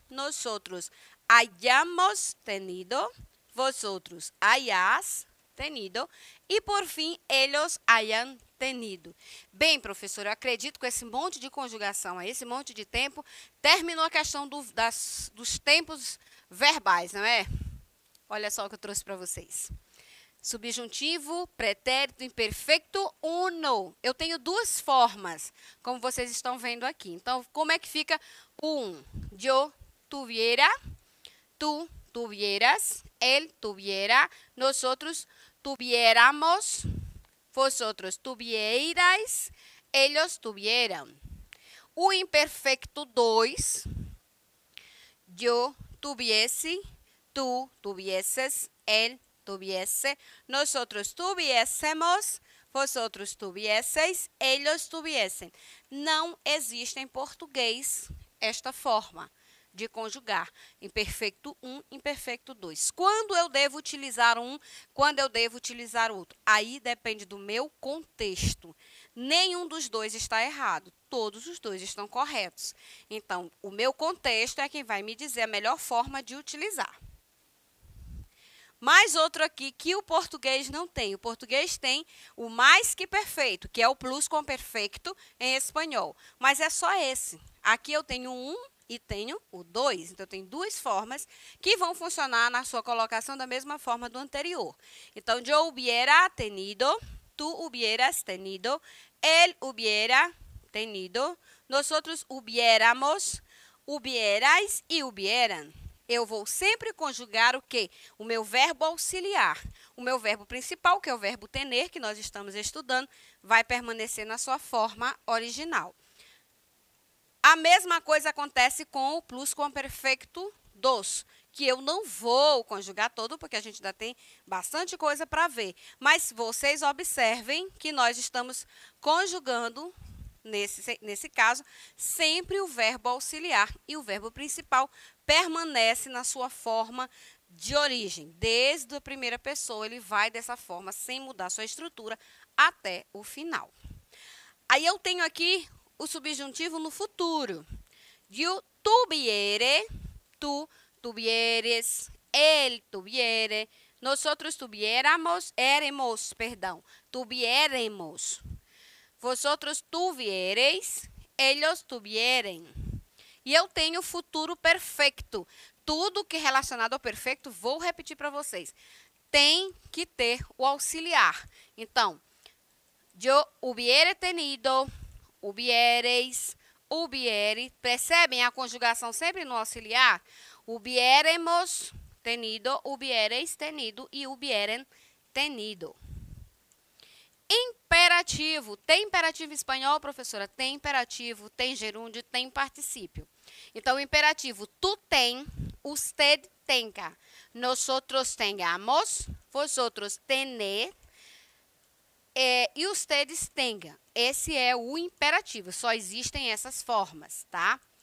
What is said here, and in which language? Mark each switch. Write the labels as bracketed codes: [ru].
[es] Nosotros hayamos tenido. Vosotros hayas tenido. [pt] E, por fim, [es] ellos hayan tenido. [pt] Bem, professor, eu acredito que esse monte de conjugação, esse monte de tempo, terminou a questão dos tempos verbais, não é? Olha só o que eu trouxe para vocês. Subjuntivo, pretérito, imperfeito, uno. Eu tenho duas formas, como vocês estão vendo aqui. Então, como é que fica o um? [es] Yo tuviera, tu tuvieras, él tuviera, nosotros tuviéramos, vosotros tuvierais, ellos tuvieran. [pt] O imperfeito 2, [es] yo tuviese, tu tuvieses, él tuviese, nosotros tuviésemos, vosotros tuvieseis, ellos tuviesen. [pt] Não existe em português esta forma de conjugar. Imperfeito 1, imperfeito 2. Quando eu devo utilizar um, quando eu devo utilizar outro? Aí depende do meu contexto. Nenhum dos dois está errado. Todos os dois estão corretos. Então, o meu contexto é quem vai me dizer a melhor forma de utilizar. Mais outro aqui que o português não tem. O português tem o mais que perfeito, que é o plus com perfeito em espanhol. Mas é só esse. Aqui eu tenho um e tenho o 2. Então, tem duas formas que vão funcionar na sua colocação da mesma forma do anterior. [es] Então, yo hubiera tenido, tu hubieras tenido, él hubiera tenido, nosotros hubiéramos, hubierais e hubieran. [pt] Eu vou sempre conjugar o quê? O meu verbo auxiliar. O meu verbo principal, que é o verbo tener, que nós estamos estudando, vai permanecer na sua forma original. A mesma coisa acontece com o plus com perfeito dos, que eu não vou conjugar todo, porque a gente ainda tem bastante coisa para ver. Mas vocês observem que nós estamos conjugando, nesse caso, sempre o verbo auxiliar e o verbo principal permanece na sua forma de origem. Desde a primeira pessoa, ele vai dessa forma, sem mudar sua estrutura, até o final. Aí eu tenho aqui o subjuntivo no futuro. [es] Yo tuviere, tu tuvieres, él tuviere, nosotros tuviéramos, éremos, perdão, tuviéremos, vosotros tuviereis, ellos tuvieren. [pt] E eu tenho o futuro perfeito. Tudo que é relacionado ao perfeito, vou repetir para vocês, tem que ter o auxiliar. [es] Então, yo hubiere tenido, hubiereis, hubiere. [pt] Percebem a conjugação sempre no auxiliar? [es] Hubieremos tenido, hubiereis tenido e hubieren tenido. [pt] Imperativo. Tem imperativo em espanhol, professora? Tem imperativo, tem gerúndio, tem particípio. Então, imperativo. Tu tem, [es] usted tenga. Nosotros tengamos, vosotros tener. [pt] E [es] ustedes tengan. [pt] Esse é o imperativo. Só existem essas formas, tá?